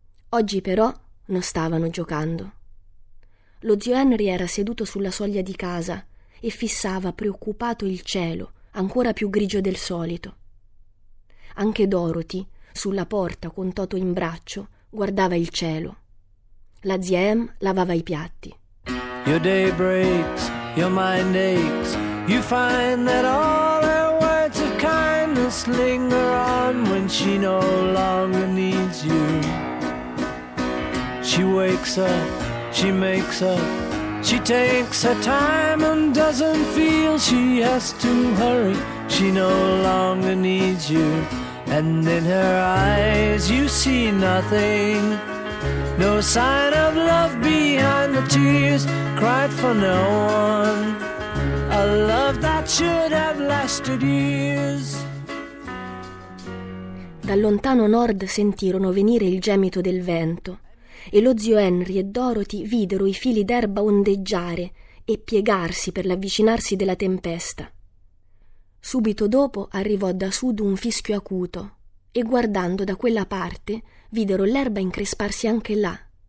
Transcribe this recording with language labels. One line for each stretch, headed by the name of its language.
Italian: Oggi però non stavano giocando. Lo zio Henry era seduto sulla soglia di casa e fissava preoccupato il cielo, ancora più grigio del solito. Anche Dorothy, sulla porta con Toto in braccio, guardava il cielo. La zia Em lavava i piatti.
English: Your day breaks, your mind aches. You find that all her words of kindness linger on when she no longer needs you. She wakes up, she makes up. She takes her time and doesn't feel she has to hurry. She no longer needs you. And in her eyes you see nothing. No sign of love behind the tears cried for no one. A love that should have lasted years.
Italian: Dal lontano nord sentirono venire il gemito del vento e lo zio Henry e Dorothy videro i fili d'erba ondeggiare e piegarsi per l'avvicinarsi della tempesta. Subito dopo arrivò da sud un fischio acuto e guardando da quella parte videro l'erba incresparsi anche là.